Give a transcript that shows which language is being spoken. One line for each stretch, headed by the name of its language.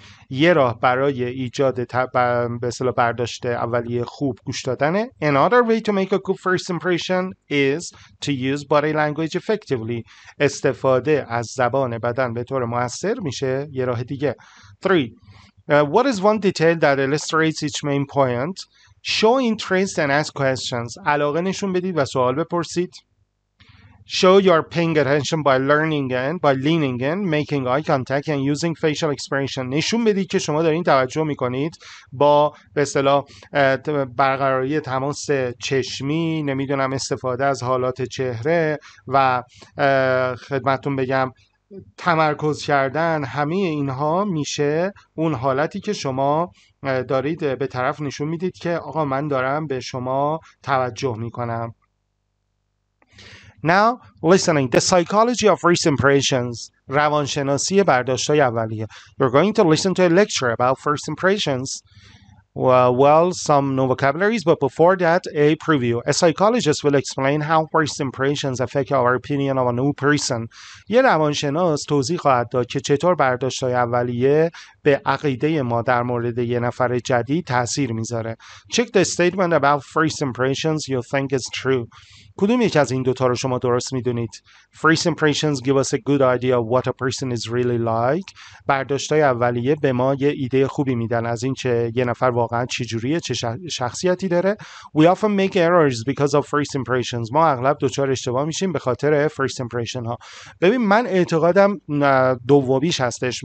Persian: یه راه برای ایجاد برداشت اولیه خوب گوش دادنه.
English: Another way to make a good first impression is to use body language effectively.
Persian: استفاده از زبان بدن به طور مؤثر میشه یه راه دیگه.
English: Three. What is one detail that illustrates each main point? Show interest and ask questions.
Persian: علاقه نشون بدید و سوال بپرسید.
English: Show your paying attention by learning and by leaning in, making eye contact and using facial expression.
Persian: نشون بدید که شما دارین توجه میکنید، با به اصطلاح برقراری تماس چشمی، نمیدونم استفاده از حالات چهره و خدمتون بگم تمرکز کردن، همه اینها میشه اون حالتی که شما دارید به طرف نشون میدید که آقا من دارم به شما توجه میکنم.
English: Now, listening. The psychology of first impressions.
Persian: روانشناسی برداشت‌های اولیه.
English: You're going to listen to a lecture about first impressions. Well, some new vocabularies, but before that, a preview. A psychologist will explain how first impressions affect our opinion of a new person.
Persian: یه روانشناس توضیح خواهد داد که چطور برداشت‌های اولیه به عقیده ما در مورد یه نفر جدید تأثیر میذاره.
English: Check the statement about first impressions you think is true.
Persian: کدوم یک از این دوتا رو شما درست میدونید؟
English: First impressions give us a good idea of what a person is really like.
Persian: برداشتای اولیه به ما یه ایده خوبی میدن از این چه یه نفر واقعا چجوریه، چه شخصیتی داره.
English: We often make errors because of first impressions.
Persian: ما اغلب دوچار اشتباه میشیم به خاطر
English: first impression
Persian: ها. ببین من اعتقادم دومیش هستش.